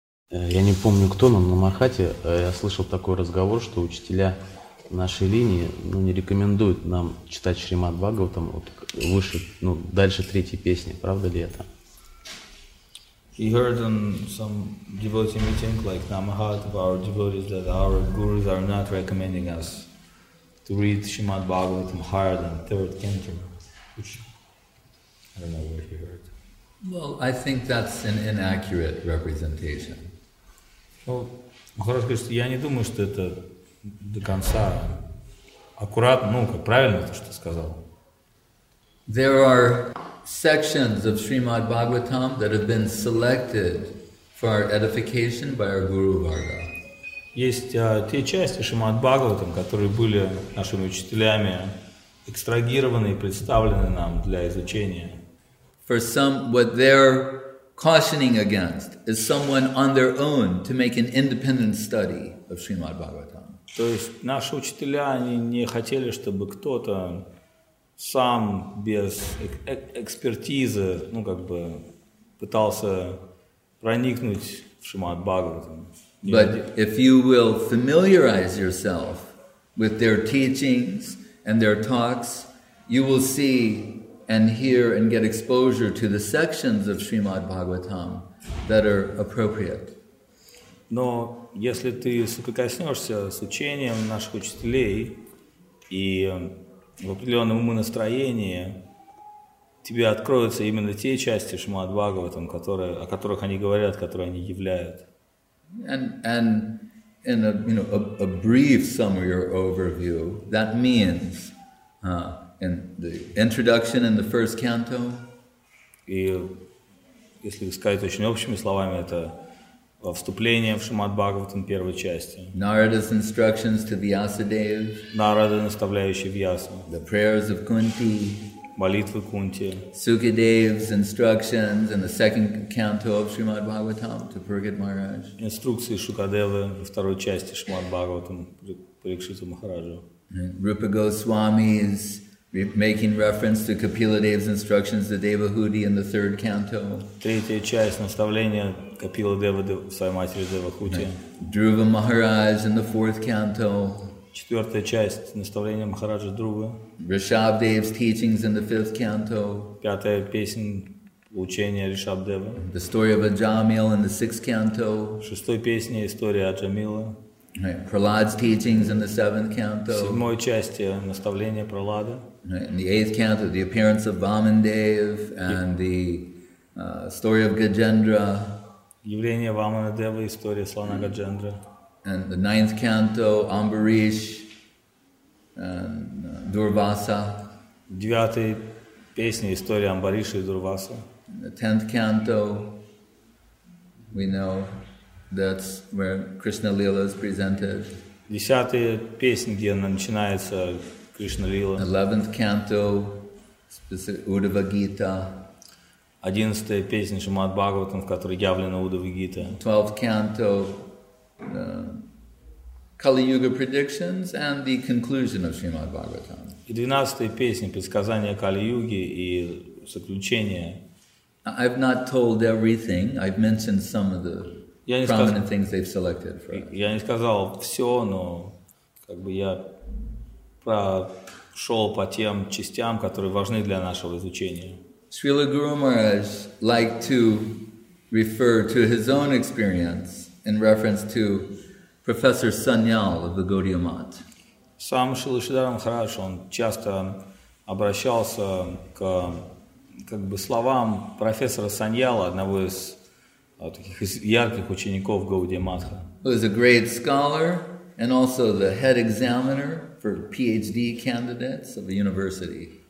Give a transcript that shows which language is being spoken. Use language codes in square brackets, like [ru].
[ru] Я не помню, кто, но на Мархате я слышал такой разговор, что учителя нашей линии не рекомендуют нам читать Шримад-Бхагаватам вот выше, дальше третьей песни. Правда ли это? [en] He heard on some devotee meeting, like Namahat of our devotees, that our gurus are not recommending us to read Shrimad Bhagavatam higher than third canto. Which I don't know where he heard. Well, I think that's an inaccurate representation. [ru] Well, хорошо, что я не думаю, что это до конца аккуратно, как правильно то, что сказал. [en] There are sections of Srimad Bhagavatam that have been selected for our edification by our Guru Varga. [ru] Есть те части Шримад Бхагаватам, которые были нашими учителями экстрагированы и представлены нам для изучения. [en] For some, what they're cautioning against is someone on their own to make an independent study of Srimad Bhagavatam. [ru] То есть наши учителя они не хотели, чтобы кто-то сам без экспертизы, пытался проникнуть в Шримад Бхагаватам. [en] But if you will familiarize yourself with their teachings and their talks, you will see and hear and get exposure to the sections of Srimad Bhagavatam that are appropriate. [ru] Но если ты соприкоснешься с учением наших учителей и в определенном умонастроении тебе откроются именно те части Шримад Бхагаватам, о которых они говорят, которые они являют. [en] And in a brief summary or overview, that means in the introduction in the first canto. [ru] И если сказать очень общими словами, это во вступление в Шримад Бхагаватам первой части. [en] Narada's instructions to Vyasadeva. [ru] Narada, наставляющий Вьясу. [en] The prayers of Kunti. [ru] Молитвы Кунти. [en] Sukadeva's instructions in the second canto of Shrimad Bhagavatam to Purikshita Maharaj. [ru] Инструкции Шукадевы во второй части Шримад Бхагаватам Парикшита Махараджу. [en] Rupa Goswami is making reference to Kapiladeva's instructions to Devahuti in the third canto. [ru] Третья часть наставления Капиладевы своей матери Девахути. [en] Dhruva Maharaj in the fourth canto. [ru] Четвертая часть наставления Махараджа Друвы. [en] Ришабдев's teachings in the fifth canto. [ru] Пятая песня учения Ришабдевы. [en] The story of Ajamila in the sixth canto. [ru] Шестой песня история Аджамила. [en] Right. Prahlad's teachings in the seventh canto. [ru] Седьмой части наставления Прохлада. [en] Right. In the eighth canto, the appearance of Vamandev and the story of Gajendra. [ru] Явление Ваманадевы, история слона Гаджендры. [en] And the ninth canto, Ambarish and Durvasa. [ru] Девятая песня, история Амбариша и Дурваса. [en] The tenth canto, we know that's where Krishna Lila is presented. [ru] Десятая песня, где начинается Кришна Лила. [en] Eleventh canto, Удава Гита. [ru] Одиннадцатая песня Шримад Бхагаватам, в которой явлена Удава Гита. [en] Twelfth canto, Kali Yuga predictions and the conclusion of Srimad Bhagavatam. [ru] И двенадцатая песня предсказания Кали Юги и заключение. [en] I've not told everything. I've mentioned some of the prominent things they've selected for us. [ru] Я не сказал все, но я прошел по тем частям, которые важны для нашего изучения. [en] Srila Guru Maharaj liked to refer to his own experience in reference to Professor Sanyal of the Gaudiya Math. [ru] Сам Шрила Шридхара Махарадж, он часто обращался к словам профессора Саньяла, одного из таких ярких учеников Гаудия Матха. [en] Who is a great scholar and also the head examiner for PhD candidates of a university.